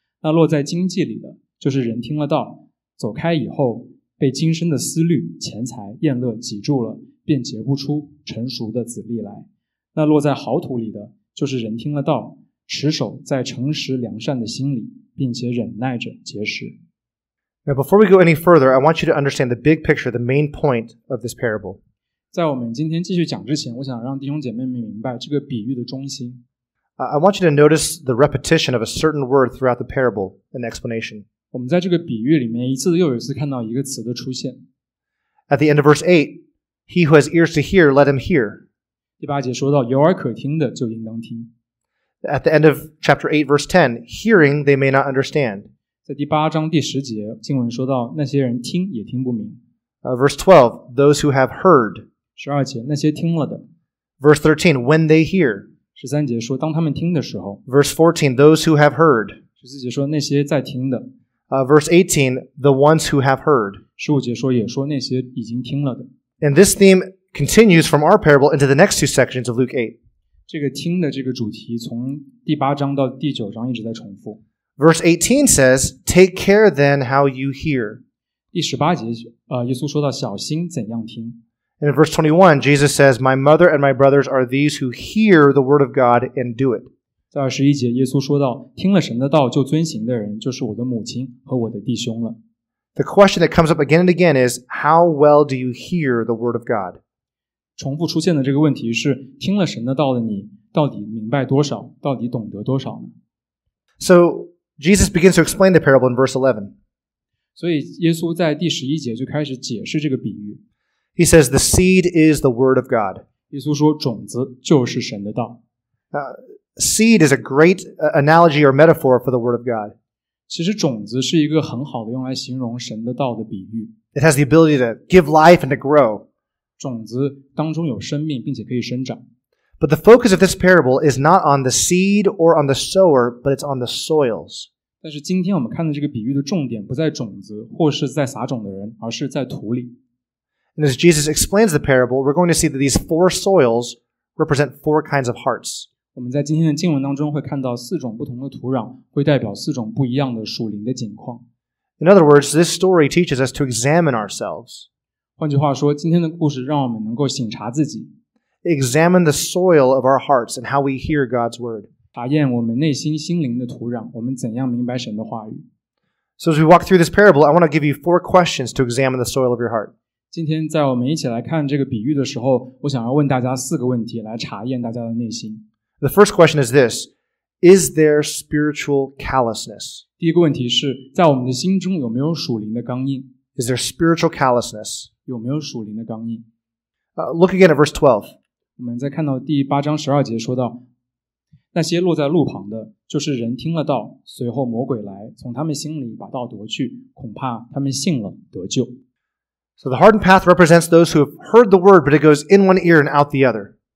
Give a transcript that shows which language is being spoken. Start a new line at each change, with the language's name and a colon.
Chinese: 那落在荆棘里的就是人听了道，走开以后，被今生的思虑、钱财、宴乐挤住了，便结不出成熟的籽粒来。那落在好土里的，就是人听了道，持守在诚实良善的心里，并且忍耐着结实。
English: Now, before we go any further, I want you to understand the big picture, the main point of this parable.
Chinese: 在我们今天继续讲之前，我想让弟兄姐妹们明白这个比喻的中心。
English: I want you to notice the repetition of a certain word throughout the parable and explanation.
Chinese: 我们在这个比喻里面一次又一次看到一个词的出现。
English: At the end of verse 8, he who has ears to hear, let him hear.
Chinese: 第八节说到有耳可听的就应当听。
English: At the end of chapter 8, verse 10, hearing they may not understand.
Chinese: 在第八章第十节经文说到那些人听也听不明。
English: Verse 12, those who have heard.
Chinese: 十二节那些听了的。
English: Verse 13, when they hear.
Chinese: 十三节说当他们听的时候。
English: Verse 14, those who have heard.
Chinese: 十四节说那些在听的。
English: Verse 18, the ones who have heard.
Chinese: 十五节说也说那些已经听了的。
English: And this theme continues from our parable into the next two sections of Luke 8.
Chinese: 这个听的这个主题从第八章到第九章一直在重复。
English: Verse 18 says, take care then how you hear.
Chinese: 第十八节，耶稣说到小心怎样听。
English: And in verse 21, Jesus says, my mother and my brothers are these who hear the word of God and do it.
Chinese: 在二十一节耶稣说到听了神的道就遵行的人就是我的母亲和我的弟兄了。
English: The question that comes up again and again is, how well do you hear the word of God?
Chinese: 重复出现的这个问题是听了神的道的你到底明白多少，到底懂得多少呢？
English: So, Jesus begins to explain the parable in verse 11.
Chinese: 所以耶稣在第十一节就开始解释这个比喻。
English: He says, the seed is the word of God.
Chinese: 耶稣说种子就是神的道。
English: Seed is a great analogy or metaphor for the word of God.
Chinese: 其实种子是一个很好的用来形容神的道的比喻。
English: It has the ability to give life and to grow.
Chinese: 种子当中有生命并且可以生长。
English: But the focus of this parable is not on the seed or on the sower, but it's on the soils.
Chinese: 但是今天我们看的这个比喻的重点不在种子或是在撒种的人，而是在土里。
English: And as Jesus explains the parable, we're going to see that these four soils represent four kinds of hearts.
Chinese: 我们在今天的经文当中会看到四种不同的土壤会代表四种不一样的属灵的景况。
English: In other words, this story teaches us to examine ourselves.
Chinese: 换句话说，今天的故事让我们能够省察自己。
English: Examine the soil of our hearts and how we hear God's word.
Chinese: 查验我们内心心灵的土壤，我们怎样明白神的话语。
English: So as we walk through this parable, I want to give you four questions to examine the soil of your heart.
Chinese: 今天在我们一起来看这个比喻的时候，我想要问大家四个问题来查验大家的内心。
English: The first question is this, is there spiritual callousness?
Chinese: 第一个问题是在我们的心中有没有属灵的刚硬。
English: Is there spiritual callousness?
Chinese: 有没有属灵的刚硬。
English: Look again at verse 12.
Chinese: 我们再看到第八章十二节说到那些落在路旁的，就是人听了道，随后魔鬼来，从他们心里把道夺去，恐怕他们信了得救。
English: So the hardened path represents those who have heard the word, but it goes in one ear and out the other.